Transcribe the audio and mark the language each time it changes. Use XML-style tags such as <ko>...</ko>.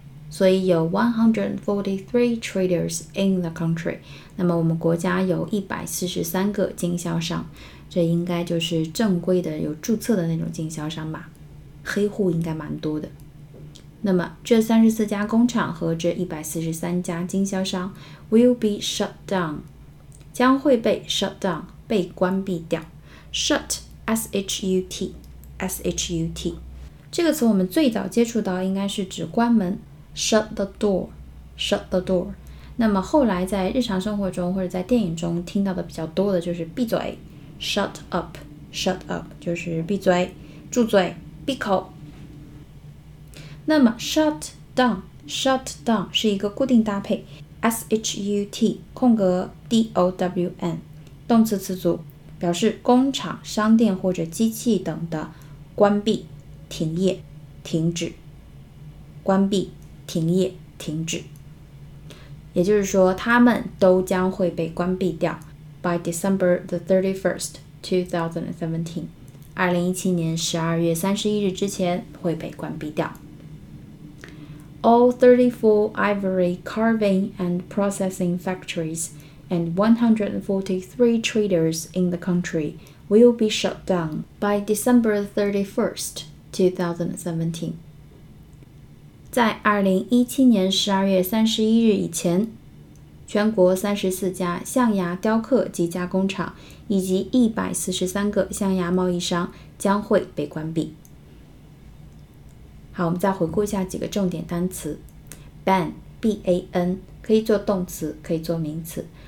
<zh>所以有</zh> <en>143 traders in the country，</en> <zh>那么我们国家有143个经销商，这应该就是正规的有注册的那种经销商吧，黑户应该蛮多的。那么这34家工厂和这143家经销商</zh> <en>will be shut down，</en> <zh>将会被 shut down，被关闭掉。 shut S-H-U-T S-H-U-T 这个词我们最早接触到应该是指关门，</zh> <en>shut the door， shut the door。</en> <zh>那么后来在日常生活中或者在电影中听到的比较多的就是闭嘴， shut up， shut up 就是闭嘴、住嘴、闭口。那么 shut down， shut down 是一个固定搭配， S-H-U-T 空格 D-O-W-N，动词词组，表示工厂、商店或者机器等的关闭、停业、停止。关闭、停业、停止。也就是说，他们都将会被关闭掉。</zh> <en>By December the 31st, 2017,</en> <zh>2017年12月31日之前会被关闭掉。</zh> <en>All 34 ivory carving and processing factories. And 143 traders in the country will be shut down by December 31st, 2017.</en> <zh>在2017年12月31日以前，全国34家象牙雕刻及加工厂以及143个象牙贸易商将会被关闭。好，我们再回顾一下几个重点单词。Ban, B-A-N, 可以做动词，可以做名词。</zh>